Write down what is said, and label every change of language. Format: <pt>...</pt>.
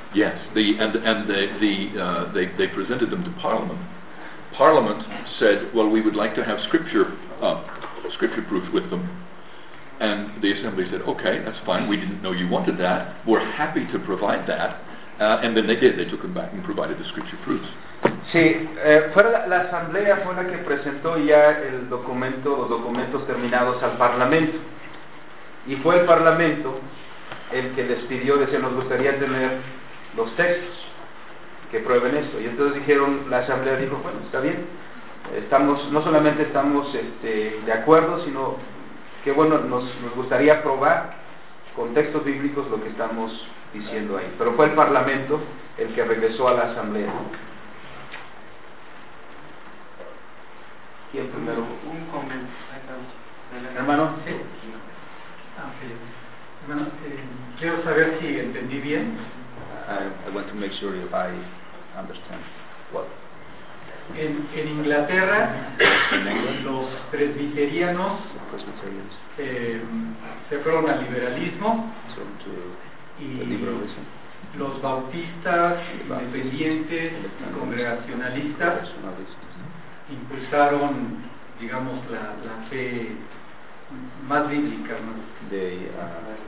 <en>Yes. They presented them to Parliament. Parliament said, "Well, we would like to have scripture proof with them." And the Assembly said, "Okay, that's fine. We didn't know you wanted that. We're happy to provide that." And then they did. They took them back and provided the scripture proofs.</en> <es>Sí, fue la asamblea fue la que presentó ya el documento, los documentos terminados al Parlamento. Y fue el Parlamento el que les pidió, decía, nos gustaría tener los textos que prueben esto. Y entonces dijeron, la asamblea dijo, bueno, está bien. No solamente estamos de acuerdo, sino que bueno, nos gustaría probar contextos bíblicos lo que estamos diciendo ahí. Pero fue el Parlamento el que regresó a la Asamblea. ¿Quién primero? Un comentario. ¿Hermano? Sí. Hermano, quiero saber si entendí bien.</es> <en>I want to make sure if I understand what.</en> <es>En Inglaterra, los presbiterianos se fueron al liberalismo y los bautistas, independientes, congregacionalistas impulsaron, digamos, la fe más bíblica, ¿no?</es>